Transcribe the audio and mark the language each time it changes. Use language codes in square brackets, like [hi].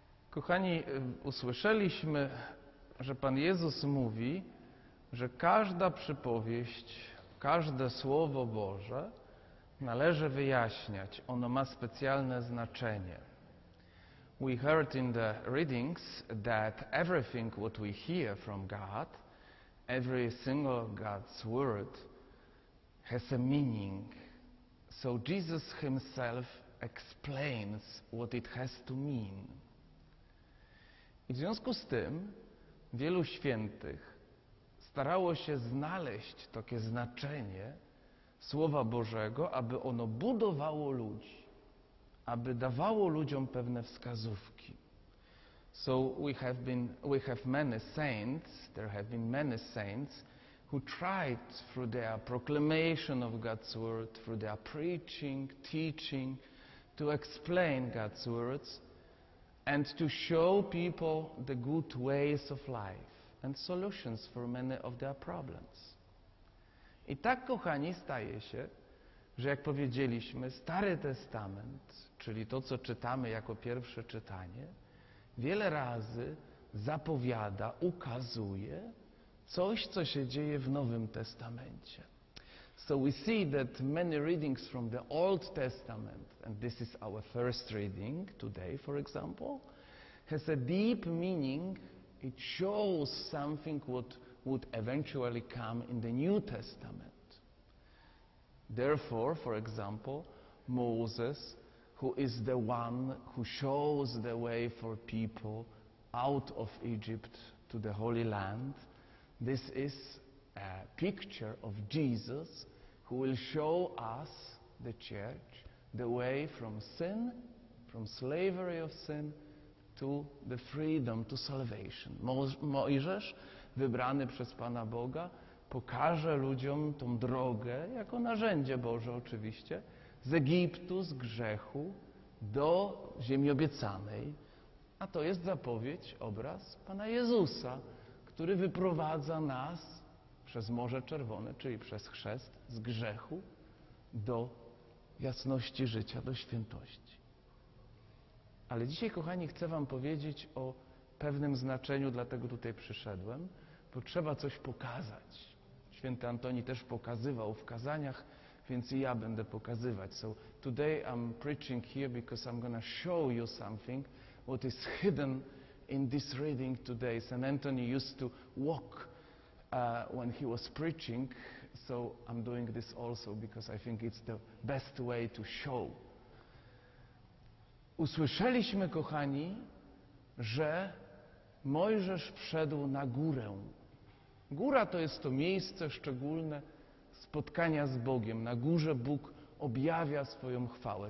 [pl] Kochani, usłyszeliśmy, że Pan Jezus mówi, że każda przypowieść, każde słowo Boże należy wyjaśniać. Ono ma specjalne znaczenie. [en] We heard in the readings that everything what we hear from God, every single God's word has a meaning. So Jesus himself explains what it has to mean. [pl] I w związku z tym wielu świętych starało się znaleźć takie znaczenie Słowa Bożego, aby ono budowało ludzi, aby dawało ludziom pewne wskazówki. [en] So we have many saints, there have been many saints who tried through their proclamation of God's word, through their preaching, teaching, to explain God's words and to show people the good ways of life and solutions for many of their problems. [pl] I tak, kochani, staje się, że jak powiedzieliśmy, Stary Testament, czyli to, co czytamy jako pierwsze czytanie, wiele razy zapowiada, ukazuje coś, co się dzieje w Nowym Testamencie. [en] So we see that many readings from the Old Testament, and this is our first reading today, for example, has a deep meaning. It shows something what would eventually come in the New Testament. Therefore, for example, Moses, who is the one who shows the way for people out of Egypt to the Holy Land, this is a picture of Jesus, who will show us, the church, the way from sin, from slavery of sin, to the freedom, to salvation. [pl] Mojżesz, wybrany przez Pana Boga, pokaże ludziom tą drogę, jako narzędzie Boże oczywiście, z Egiptu, z grzechu, do ziemi obiecanej. A to jest zapowiedź, obraz Pana Jezusa, który wyprowadza nas przez Morze Czerwone, czyli przez chrzest, z grzechu do jasności życia, do świętości. Ale dzisiaj, kochani, chcę wam powiedzieć o pewnym znaczeniu, dlatego tutaj przyszedłem, bo trzeba coś pokazać. Święty Antoni też pokazywał w kazaniach, więc i ja będę pokazywać. [en] So today I'm preaching here because I'm going to show you something what is hidden in this reading today. St. Anthony used to walk when he was preaching, so I'm doing this also because I think it's the best way to show. [pl] Usłyszeliśmy, kochani, że Mojżesz wszedł na górę. Góra to jest to miejsce szczególne, spotkania z Bogiem. Na górze Bóg objawia swoją chwałę.